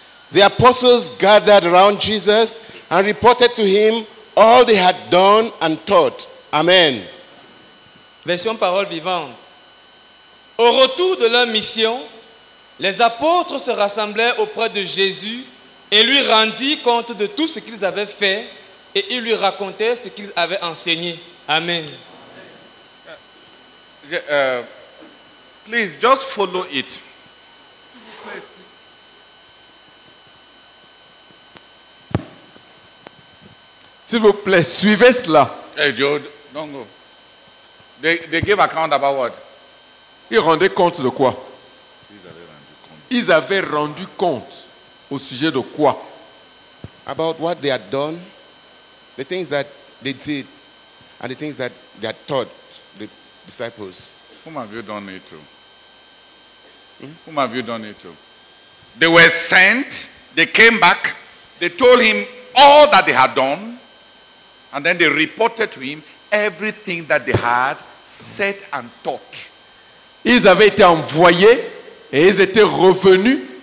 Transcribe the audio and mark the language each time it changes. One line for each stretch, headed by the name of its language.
English: The apostles gathered around Jesus and reported to him all they had done and taught. Amen.
French: Version parole vivante. Au retour de leur mission, les apôtres se rassemblèrent auprès de Jésus et lui rendirent compte de tout ce qu'ils avaient fait et ils lui racontaient ce qu'ils avaient enseigné. Amen.
English: Please, just follow it.
French: S'il vous plaît, suivez cela.
English: Hey, Joe, don't go. They gave account about what?
French: Ils rendaient compte de quoi? Ils avaient rendu compte. Ils avaient rendu compte au sujet de quoi?
English: About what they had done, the things that they did, and the things that they had taught the disciples. Whom have you done it to? Whom have you done it to? They were sent, they came back, they told him all that they had done, and then they reported to him everything that they had said and taught.
French: Ils avaient été envoyés et ils étaient revenus